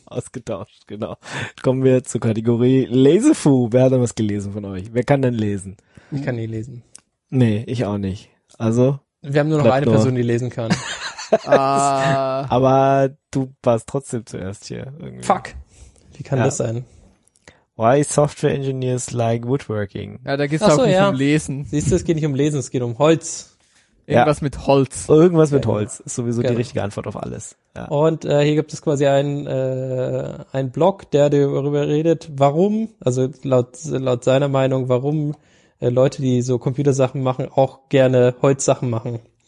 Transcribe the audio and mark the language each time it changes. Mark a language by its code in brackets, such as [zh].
[de] Ausgetauscht, genau. Kommen wir zur Kategorie Lesefu. Wer hat denn was gelesen von euch? Wer kann denn lesen? Ich kann nie lesen. Nee, ich auch nicht. Also. Wir haben nur noch eine Person, die lesen kann. Aber du warst trotzdem zuerst hier. Irgendwie. Fuck. Wie kann das sein? [en] Why software engineers like woodworking? [de] Ja, da geht's auch nicht um Lesen. Siehst du, es geht nicht um Lesen, es geht um Holz. Irgendwas mit Holz. Irgendwas mit Holz ist sowieso die richtige Antwort auf alles. Ja. Und hier gibt es quasi einen Blog, der darüber redet, warum, also laut seiner Meinung, warum Leute, die so Computersachen machen, auch gerne Holzsachen machen.